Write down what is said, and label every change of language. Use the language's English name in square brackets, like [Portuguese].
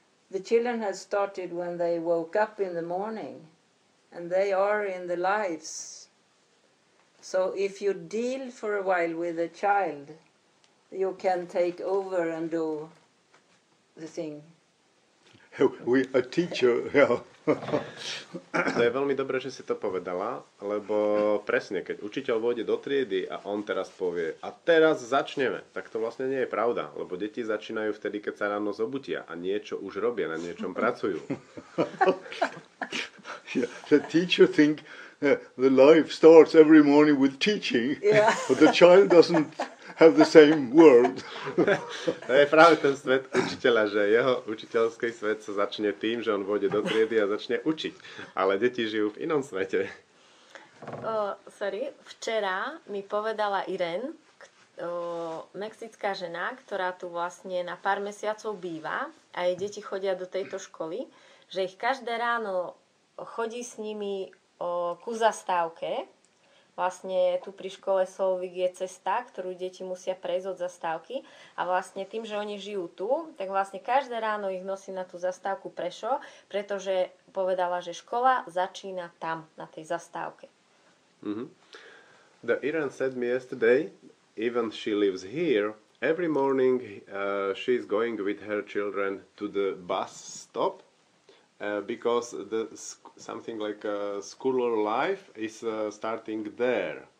[English] The children have started when they woke up in the morning, and they are in the lives. So if you deal for a while with a child, you can take over and do the thing. We a teacher, yeah. [Slovak] To je veľmi dobré, že si to povedala, lebo presne, keď učiteľ vôjde do triedy a on teraz povie a teraz začneme, tak to vlastne nie je pravda, lebo deti začínajú vtedy, keď sa ráno zobudia a niečo už robia, na niečom pracujú. [English] Yeah, the teacher think the life starts every morning with teaching, yeah. But the child doesn't have the same world. [Slovak] To je práve ten svet učiteľa, že jeho učiteľský svet sa začne tým, že on vôjde do triedy a začne učiť. Ale deti žijú v inom svete. Sorry, včera mi povedala Iren, mexická žena, ktorá tu vlastne na pár mesiacov býva a jej deti chodia do tejto školy, že ich každé ráno chodí s nimi ku zastávke. Vlastne tu pri škole Solvig je cesta, ktorú deti musia prejsť od zastávky. A vlastne tým, že oni žijú tu, tak vlastne každé ráno ich nosí na tú zastávku Prešo, pretože povedala, že škola začína tam, na tej zastávke. Mm-hmm. [English] The Iran said me yesterday, even she lives here, every morning she is going with her children to the bus stop. Because the something like a school life is starting there.